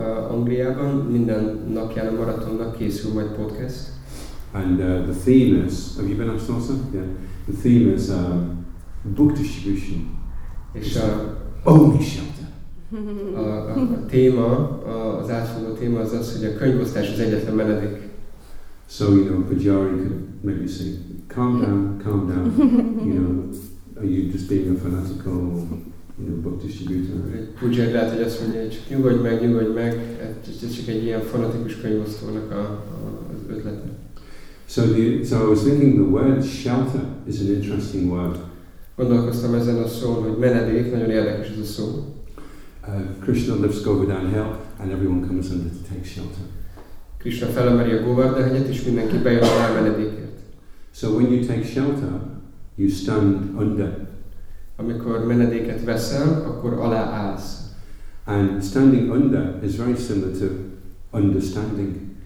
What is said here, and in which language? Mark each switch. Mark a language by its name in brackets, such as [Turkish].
[Hungarian] Angliában minden napján a maratonnak készül majd podcast. [English] And the theme is, have you been asked also? Yeah. The theme is book distribution. [Hungarian] És a [English] only shelter. [Hungarian] A téma az, hogy a könyvosztás az egyetlen menedék. [English] So Pajari could maybe say, calm down, you know. Are you just being a fanatical book distributor. [Hungarian] Egy pudzser lehet, hogy azt mondja, hogy csak nyugodj meg, ez csak egy ilyen fanatikus könyvosztónak az ötlete. [English] So I was thinking the word shelter is an interesting word. [Hungarian] Gondolkoztam ezen a szón, hogy menedék, nagyon érdekes ez a szó. [English] Krishna lifts Govardhan Hill, and everyone comes under to take shelter. [Hungarian] Krishna felemeli a Govardhanet, és mindenki bejön a menedékért. [English] So when you take shelter, you stand under. [Hungarian] Amikor menedéket veszel, akkor alá állsz. [English] And standing under is very similar to understanding.